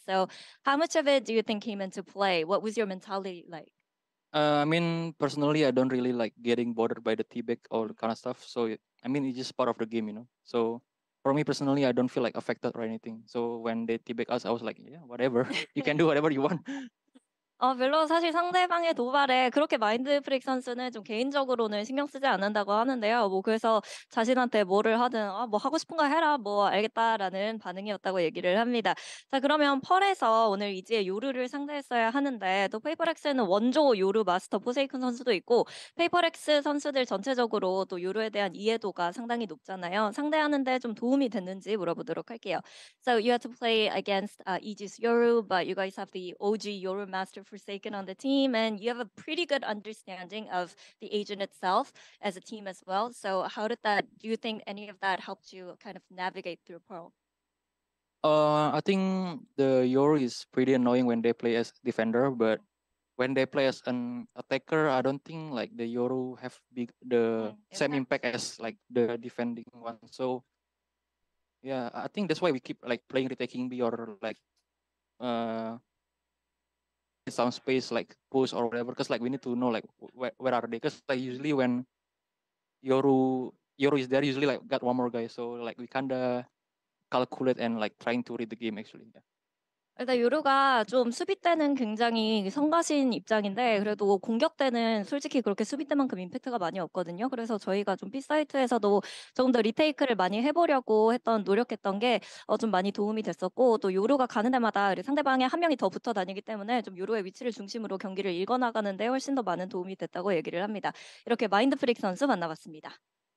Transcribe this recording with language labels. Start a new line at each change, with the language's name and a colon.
English: So, how much of it do you think came into play? What was your mentality like? I mean, personally, I don't really like getting bothered by the teabag or kind of stuff. So, I mean, it's just part of the game, you know? So, for me personally, I don't feel like affected or anything. So, when they teabag us, I was like, yeah, whatever. You can do whatever you want.
Korean: 별로 사실 상대방의 도발에 그렇게 마인드 프릭 선수는 좀 개인적으로는 신경 쓰지 않는다고 하는데요. 뭐 그래서 자신한테 뭐를 하든 뭐 하고 싶은 거 해라 뭐 알겠다라는 반응이었다고 얘기를 합니다. 자 그러면 펄에서 오늘 이지의 요루를 상대했어야 하는데 또 페이퍼렉스에는 원조 요루 마스터 포세이큰 선수도 있고 페이퍼렉스 선수들 전체적으로 또 요루에 대한 이해도가 상당히 높잖아요. 상대하는데 좀 도움이 됐는지 물어보도록 할게요.
English: So you have to play against EG's Yoru, but you guys have the OG Yoru Master Forsaken on the team, and you have a pretty good understanding of the agent itself as a team as well. So, how did that do you think any of that helped you kind of navigate through Pearl? I think the Yoru is pretty annoying when they play as defender, but when they play as an attacker, I don't think like the Yoru have big the same impact as like the defending one. So yeah, I think that's why we keep like playing retaking B or like some space like push or whatever, because like we need to know like where are they, because like usually when Yoru is there, usually like got one more guy, so like we kinda calculate and like trying to read the game actually, yeah.
Korean: 일단 요루가 좀 수비 때는 굉장히 성가신 입장인데 그래도 공격 때는 솔직히 그렇게 수비 때만큼 임팩트가 많이 없거든요. 그래서 저희가 좀 B사이트에서도 조금 더 리테이크를 많이 해보려고 했던 노력했던 게좀 많이 도움이 됐었고 또 요루가 가는 데마다 상대방에 한 명이 더 붙어 다니기 때문에 좀 요루의 위치를 중심으로 경기를 읽어나가는 데 훨씬 더 많은 도움이 됐다고 얘기를 합니다. 이렇게 마인드프릭 선수 만나봤습니다.